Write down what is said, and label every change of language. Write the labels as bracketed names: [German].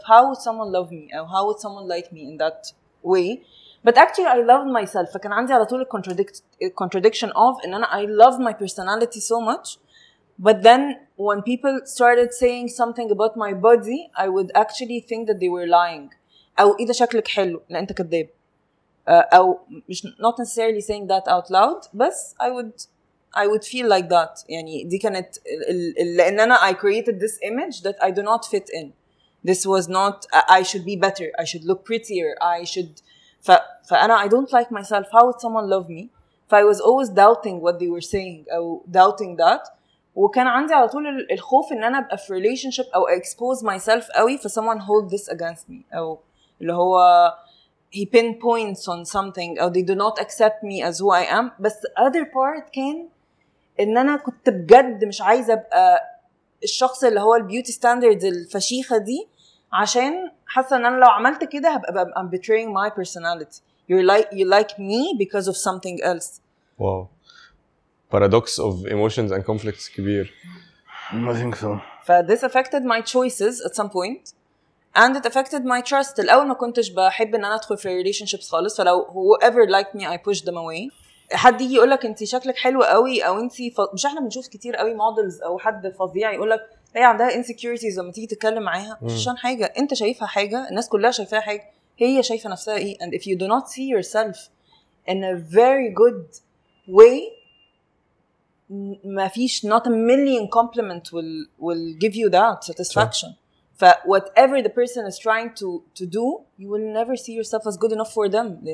[English] How would someone love me or how would someone like me in that way? But actually I loved myself. [Arabic] فكان عندي على طول [English] contradiction of [Arabic] ان انا [English] I love my personality so much. But then when people started saying something about my body, I would actually think that they were lying. [Arabic] أو إذا شكلك حلو لأن أنت كذاب. أو مش [English] not necessarily saying that out loud, [Arabic] بس [English] I would feel like that. [Arabic] يعني دي كانت لأن أنا [English] I created this image that I do not fit in. This was not, I should be better, I should look prettier, I should, [Arabic] فأنا [English] I don't like myself, how would someone love me? فI was always doubting what they were saying, [Arabic] أو [English] doubting that. [Arabic] وكان عندي على طول الخوف ان انا ابقى في [English] relationship او expose myself [Arabic] قوي [English] for someone hold this against me [Arabic] او اللي هو [English] he pinpoints on something [Arabic] او [English] they do not accept me as who I am. [Arabic] بس [English] the other part [Arabic] كان ان انا كنت بجد مش عايزة ابقى الشخص اللي هو البيوتي ستاندرد الفشيخة دي عشان حاسة ان انا لو عملت كده هبقى [English] I'm betraying my personality. You like me because of something else. Wow. Paradox of emotions and conflicts, [Arabic] كبير. [English] I think so. This affected my choices at some point, and it affected my trust. [Arabic] الأول ما كنتش بحب إن أنا أدخل في relationships خالص. فلو [English] whoever liked me, I pushed them away. [Arabic] حد يجي يقولك أنت شكلك حلو قوي أو أنت مش إحنا بنشوف كتير قوي models أو حد فظيع يقولك هي عندها insecurities لما تيجي تتكلم معاها عشان حاجة أنت شايفها حاجة الناس كلها شايفها حاجة هي شايفة نفسها إيه. [English] And if you do not see yourself in a very good way, [Arabic] ما فيش [English] not a million compliment will give you that satisfaction. ف whatever the person is trying to do, you will never see yourself as good enough for them.